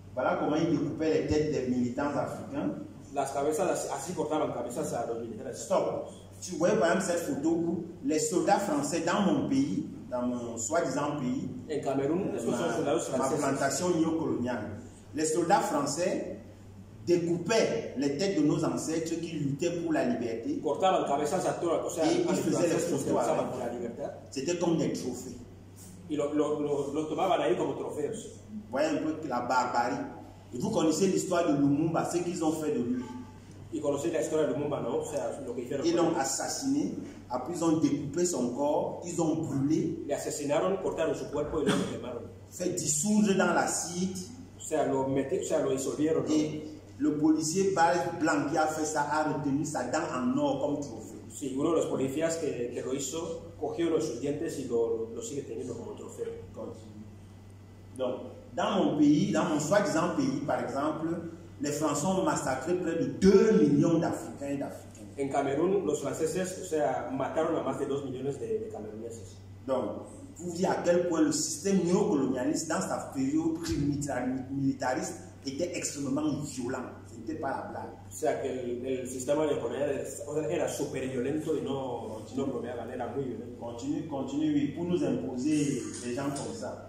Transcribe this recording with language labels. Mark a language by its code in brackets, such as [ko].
[fr] Voilà comment ils découpaient les têtes des militants africains. [es] Las cabezas, así cortaban las cabezas a los militares. [fr] Stop. Tu vois par exemple cette photo où les soldats français dans mon pays, dans mon soi-disant pays, en Cameroun, ma plantation néocoloniale, les soldats français découpaient les têtes de nos ancêtres qui luttaient pour la liberté. [es] Cortaban cabezas a todos, o sea, [fr] et ils faisaient les photos avec. C'était comme des trophées. [es] Y lo tomaban ahí como trofeos. [fr] Voyez un peu la barbarie. Et vous connaissez l'histoire de Lumumba, ce qu'ils ont fait de lui. Ils connaissaient l'histoire de Lumumba, non? Ils l'ont assassiné, après ils ont découpé son corps, ils ont brûlé. [es] Les assassinaron, cortaron su cuerpo y lo quemaron. [fr] Fait dissoudre dans l'acide. [es] Lo disolvieron. [fr] Et le policier Barry Blanc qui a fait ça a retenu sa dent en or comme trophée. [es] Sí, uno de los policías que lo hizo cogieron sus dientes y lo sigue teniendo como trofeo. [fr] Donc. Dans mon pays, dans mon soi-disant pays, par exemple, les Français ont massacré près de 2 millions d'Africains et d'Africaines. En Cameroun, les Français, [es] mataron a más de 2 millones de [fr] camerounaises. Donc, vous voyez à quel point le système néocolonialiste dans sa période militariste était extrêmement violent. Ce n'était pas la blague. [es] O sea, que el sistema neocolonial era super violento y no bromeaba, era muy violento. [fr] Continue, oui, pour nous imposer des gens comme ça.